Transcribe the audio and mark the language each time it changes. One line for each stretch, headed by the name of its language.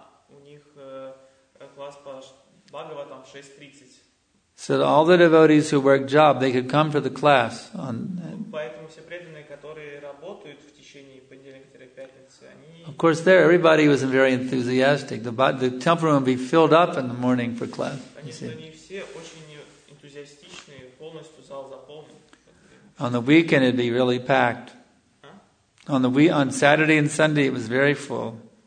Russian: У них класс по Бхагаватам 6:30.
English: So all the devotees who work job, they could come for the class on.
Russian: Поэтому все преданные, которые работают в течение понедельника пятницы, они.
English: Of course, there everybody was very enthusiastic. The temple room would be filled up in the morning for class.
Russian: Конечно, не все очень энтузиастичные, полностью зал заполнен.
English: On the weekend, it'd be really packed. Huh? On Saturday and Sunday, it was very full.